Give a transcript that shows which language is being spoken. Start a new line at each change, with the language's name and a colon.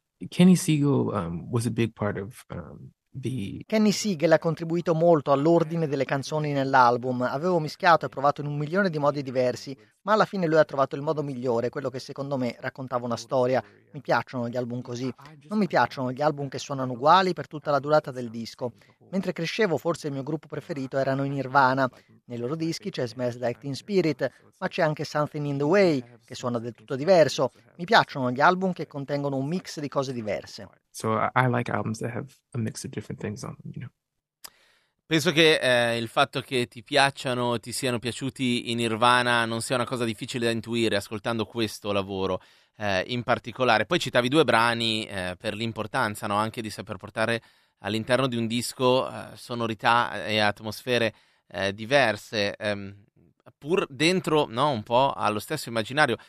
English: Kenny Siegel was a big part of...
Italian: Kenny Siegel ha contribuito molto all'ordine delle canzoni nell'album. Avevo mischiato e provato in un milione di modi diversi, ma alla fine lui ha trovato il modo migliore, quello che secondo me raccontava una storia. Mi piacciono gli album così. Non mi piacciono gli album che suonano uguali per tutta la durata del disco. Mentre crescevo, forse il mio gruppo preferito erano i Nirvana. Nei loro dischi c'è Smells Like Teen Spirit, ma c'è anche Something in the Way, che suona del tutto diverso. Mi piacciono gli album che contengono un mix di cose diverse.
English: So I like albums that have a mix of different things on them, you know.
Italian: Penso che il fatto che ti piacciono, ti siano piaciuti i Nirvana non sia una cosa difficile da intuire ascoltando questo lavoro in particolare. Poi citavi due brani per l'importanza, no? Anche di saper portare all'interno di un disco sonorità e atmosfere diverse, pur dentro, no, un po' allo stesso immaginario.